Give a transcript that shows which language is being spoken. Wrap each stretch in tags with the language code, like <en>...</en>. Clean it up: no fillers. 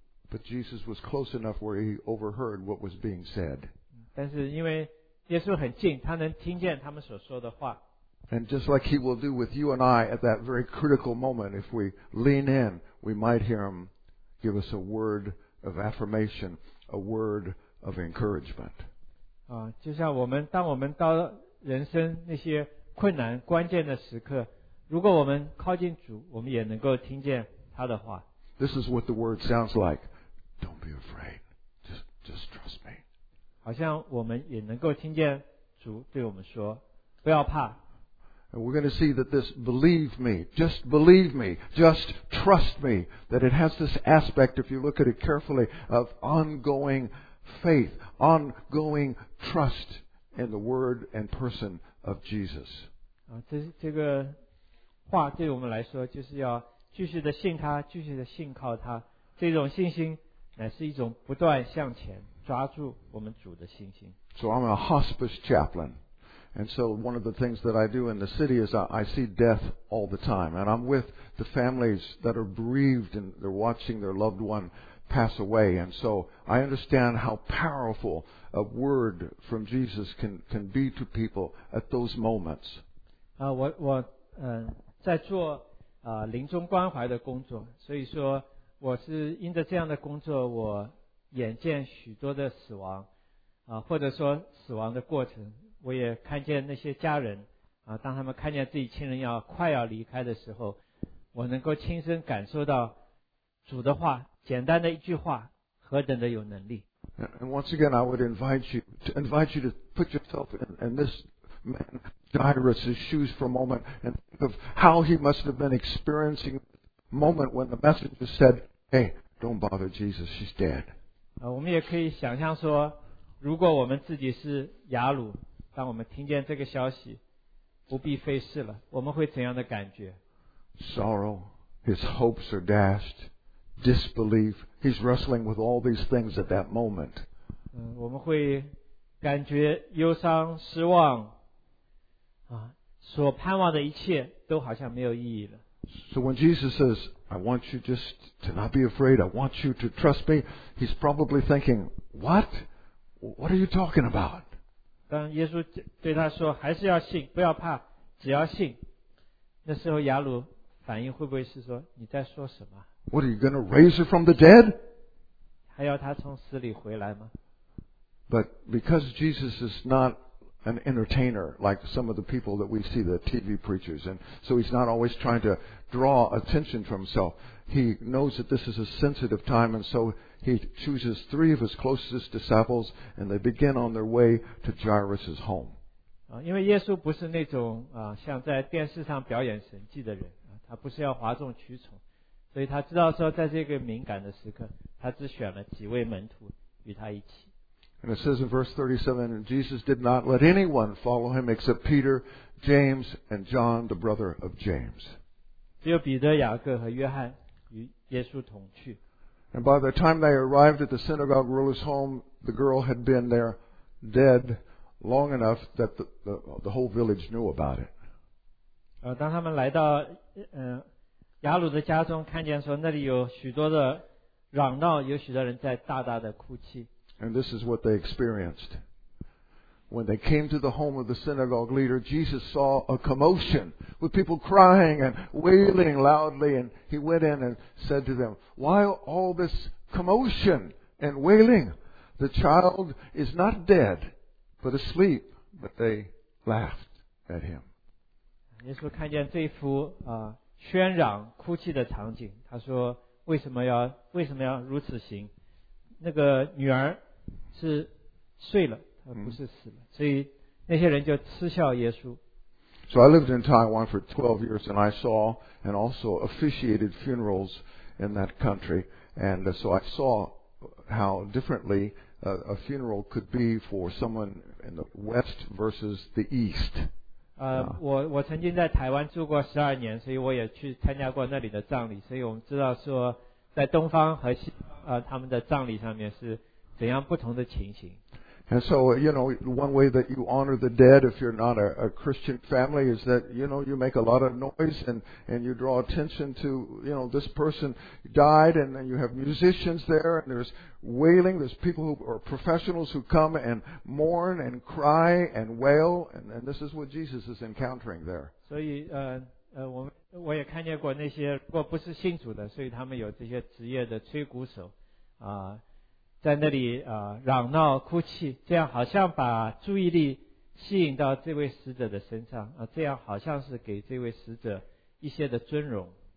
<en>But Jesus was close enough where he overheard what was being said.</en> <zh>但是因为耶稣很近，他能听见他们所说的话。</zh> <en>And just like he will do with you and I at that very critical moment, if we lean in, we might hear him give us a word. Of affirmation, a word of encouragement.</en> <zh>就像我们当我们到人生那些困难关键的时刻，如果我们靠近主，我们也能够听见他的话。</zh> <en>This is what the word sounds like. Don't be afraid. Just trust me.</en> <zh>好像我们也能够听见主对我们说，不要怕。</zh> <en>And we're going to see that this believe me, just trust me, that it has this aspect, if you look at it carefully, of ongoing faith, ongoing trust in the word and person of Jesus.</en> <zh>这个话对我们来说就是要继续的信他，继续的信靠他。这种信心乃是一种不断向前抓住我们主的信心。</zh> <en>So I'm a hospice chaplain. And so one of the things that I do in the city is I see death all the time. And I'm with the families that are bereaved and they're watching their loved one pass away. And so I understand how powerful a word from Jesus can be to people at those moments.</en> <zh>我在做临终关怀的工作，所以说我是因着这样的工作，我眼见许多的死亡，或者说死亡的过程，我也看见那些家人，当他们看见自己亲人快要离开的时候，我能够亲身感受到主的话，简单的一句话，何等的有能力。</zh> <en>And once again, I would invite you to put yourself in this man Jairus' shoes for a moment and think of how he must have been experiencing the moment when the messenger said, "Hey, don't bother Jesus, she's dead."</en> <zh>我们也可以想象说，如果我们自己是雅鲁，当我们听见这个消息，不必费事了，我们会怎样的感觉？</zh> <en>Sorrow, his hopes are dashed. Disbelief. He's wrestling with all these things at that moment.</en> <zh>我们会感觉忧伤、失望，所盼望的一切都好像没有意义了。</zh> <en>So when Jesus says, "I want you just to not be afraid. I want you to trust me," he's probably thinking, "What? What are you talking about?"</en> <zh>当耶稣对他说，还是要信，不要怕，只要信。那时候雅鲁反应会不会是说，你在说什么？</zh> <en>What, are you going to raise her from the dead?</en> <zh>还要他从死里回来吗？</zh> <en>But because Jesus is not an entertainer like some of the people that we see, the TV preachers, and so he's not always trying to draw attention to himself. He knows that this is a sensitive time, and so he chooses three of his closest disciples, and they begin on their way to Jairus' home.</en> <zh>因为耶稣不是那种像在电视上表演神迹的人，他不是要哗众取宠。所以他知道说，在这个敏感的时刻，他只选了几位门徒与他一起。</zh> <en>And it says in verse 37, and Jesus did not let anyone follow him except Peter, James, and John, the brother of James.</en> <zh>只有彼得、雅各和约翰与耶稣同去。</zh> <en>And by the time they arrived at the synagogue ruler's home, the girl had been there dead long enough that the whole village knew about it.</en> <zh>当他们来到雅鲁的家中，看见说那里有许多的嚷闹，有许多人在大大的哭泣。</zh> <en>And this is what they experienced. When they came to the home of the synagogue leader, Jesus saw a commotion with people crying and wailing loudly, and he went in and said to them, "Why all this commotion and wailing? The child is not dead, but asleep." But they laughed at him.</en> <zh>耶稣看见这幅喧嚷哭泣的场景，他说为什么要如此行，那个女儿是睡了，她不是死了，所以那些人就嗤笑耶稣。</zh> <en>So I lived in Taiwan for 12 years and I saw and also officiated funerals in that country, and so I saw how differently a funeral could be for someone in the West versus the East.</en> <zh>我曾经在台湾住过12年，所以我也去参加过那里的葬礼，所以我们知道说在东方和西他们的葬礼上面是怎样不同的情形。</zh> <en>And so, you know, one way that you honor the dead if you're not a Christian family is that, you know, you make a lot of noise and you draw attention to, you know, this person died, and then you have musicians there and there's wailing, there's people who are professionals who come and mourn and cry and wail, and this is what Jesus is encountering there.</en> <zh>所以我也看见过那些如果不是信主的，所以他们有这些职业的吹鼓手在那里嚷闹哭泣，这样好像把注意力吸引到这位死者的身上这样好像是给这位死者一些的尊荣。</zh>